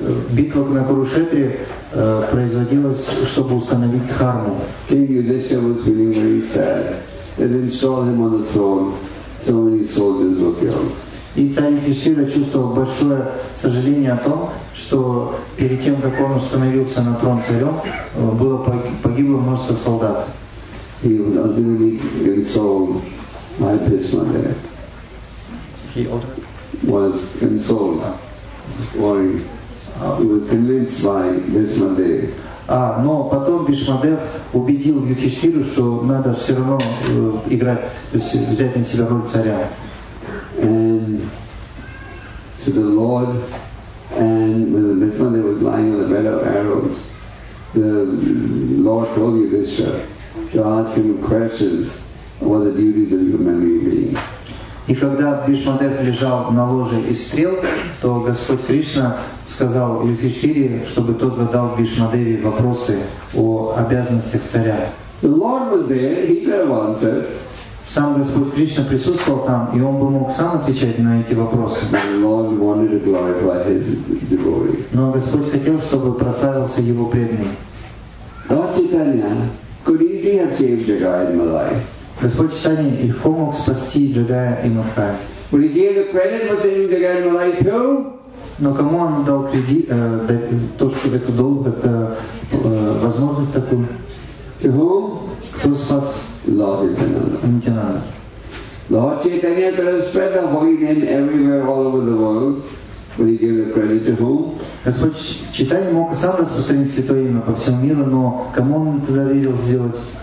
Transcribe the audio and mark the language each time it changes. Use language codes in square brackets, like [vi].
[ru] Битва на Курукшетре производилась, чтобы установить Дхарму. [en] King Yudhishthira was feeling very sad. And installed him on the throne, so many soldiers were killed. [ru] И царь Юдхиштхира чувствовал большое сожаление о том, что перед тем, как он установился на трон царем, было погибло множество солдат. [en] He was ultimately consoled by Bhishma there. He was consoled. Why? He was convinced by Bhishma there. [ru] Но потом Бишмадев убедил Юдхиштхиру, что надо все равно играть, то есть взять на себя роль царя. [en] And so the Lord, and when Бишмадев was lying on the bed of arrows, the Lord told Yudhishthira to ask him questions about the duties of human being. [ru] И когда Бишмадев лежал на ложе из стрел, то Господь Кришна сказал Юдхиштхире, чтобы тот задал Бишмадеве вопросы о обязанностях царя. [en] The Lord was there, he could have answered. [ru] Сам Господь Кришна присутствовал там, и он бы мог сам отвечать на эти вопросы. [en] The Lord wanted to glorify his devotee. [ru] Но Господь хотел, чтобы прославился его преданный. [en] Lord Chaitanya could easily have saved Jagai Malai. [ru] Господь Читание легко мог спасти Джагая и Махай. [en] But he gave the credit for saving Jagai Malai too. [ru] Но кому он дал кредит, то, что это долг, это возможность такую? [en] To whom? [ru] Кто спас? [en] Lord Chaitanya. Nityananda. Lord Chaitanya could have spread the holy name everywhere all over the world. But he gave the credit to whom? [ru] Господь Читание мог сам распространить святое имя по всему миру, но кому он это доверил сделать?